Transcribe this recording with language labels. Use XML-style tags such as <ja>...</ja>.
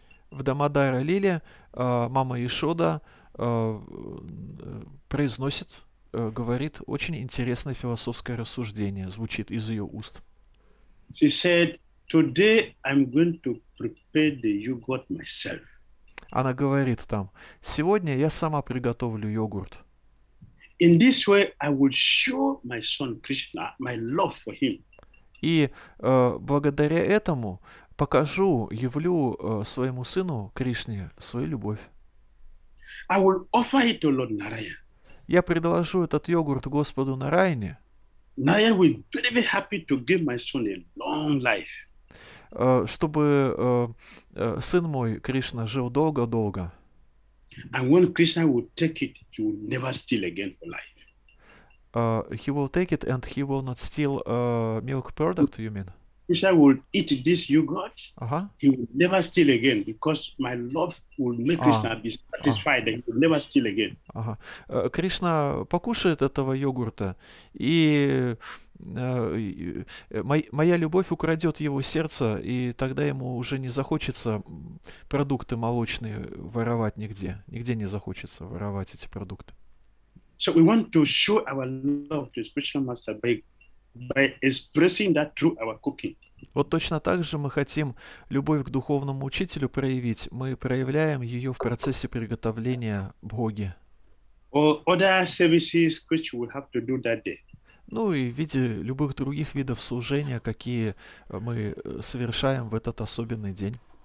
<ru>В Дамодара Лиле мама Яшода произносит, говорит очень интересное философское рассуждение, звучит из ее уст.</ru> <en>She said, "Today I'm going to prepare the yogurt myself."</en> <ru>Она говорит там: "Сегодня я сама приготовлю йогурт."</ru> <en>In this way, I will show my son Krishna my love for him.</en> <ru>И благодаря этому покажу, явлю своему сыну Кришне свою любовь.</ru> <en>I will offer it to Lord Narayan.</en> <ru>Я предложу этот йогурт Господу Нараяне.</ru> <en>Narayan will be very happy to give my son a long life.</en> <ru>Чтобы сын мой Кришна жил долго-долго.</ru> <en>And when Krishna will take it, he will never steal again for life. He will take it and he will not steal milk product, you mean? Krishna will eat this yogurt. Uh-huh. He will never steal again because my love will make Krishna be satisfied and he will never steal again.</en> <ru>Кришна покушает этого йогурта и моя любовь украдет его сердце, и тогда ему уже не захочется продукты молочные воровать нигде. Нигде не захочется воровать эти продукты.</ru> <en>So we want to show our love to spiritual master by expressing that through our cooking.</en> <ru>Вот точно так же мы хотим любовь к духовному учителю проявить. Мы проявляем ее в процессе приготовления бхоги. Ну и в виде любых других видов служения, какие мы совершаем в этот особенный день.</ru>